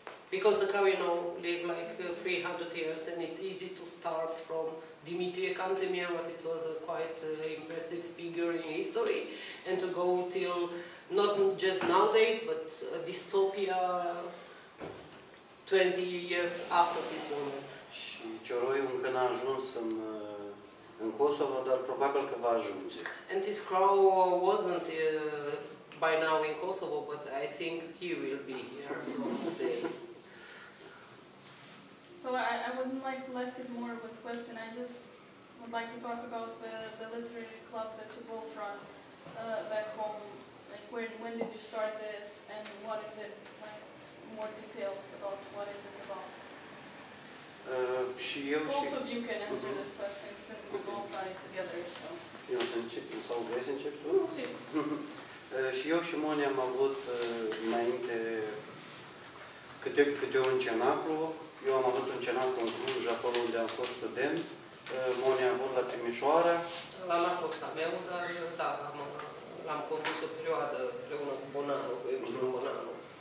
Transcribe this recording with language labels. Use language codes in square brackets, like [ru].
[en] because the crow, you know, live like 300 years, and it's easy to start from Dimitri Cantemir, but it was a quite impressive figure in history, and to go till not just nowadays, but a dystopia 20 years after this moment. [ro] În Kosovo, dar probabil că va ajunge. [en] And this crow wasn't by now in Kosovo, but I think he will be here someday. So I wouldn't like to last it more with question. I just would like to talk about the literary club that you both run back home. Like when did you start this, and what is it? Like more details about what is it about. [ro] Și eu [en] both [ro] și [en] of you can answer this question since you both write together. So. [ro] Eu să încep, sau vrei să încep tu? [en] Okay. [ro] Și eu și Moni am avut înainte câte un cenaclu. Eu am avut un cenaclu în Cluj, acolo unde am fost student. Moni a avut la Timișoara. La n-a fost a meu, dar da, l-am condus o perioadă împreună cu Bonanu, cu Eugen Bonanu.